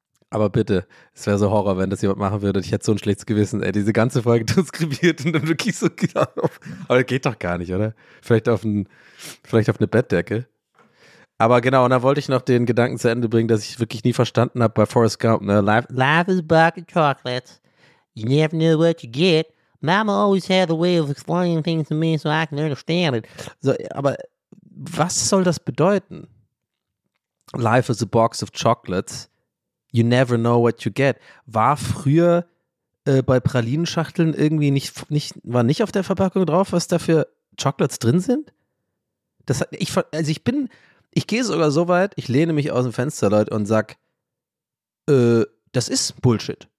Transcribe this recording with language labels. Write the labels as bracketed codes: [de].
[de] Aber bitte, es wäre so Horror, wenn das jemand machen würde. Ich hätte so ein schlechtes Gewissen, ey, diese ganze Folge transkribiert und dann wirklich so genau auf. Aber das geht doch gar nicht, oder? Vielleicht auf eine Bettdecke. Aber genau, und da wollte ich noch den Gedanken zu Ende bringen, dass ich wirklich nie verstanden habe bei Forrest Gump, ne? [en] Life is a box of chocolates. You never know what you get. Mama always had a way of explaining things to me so I can understand it. [de] So, aber was soll das bedeuten? [en] Life is a box of chocolates. You never know what you get. [de] War früher bei Pralinenschachteln irgendwie nicht auf der Verpackung drauf, was da für Chocolates drin sind? Ich gehe sogar so weit, ich lehne mich aus dem Fenster, Leute, und sag, das ist Bullshit.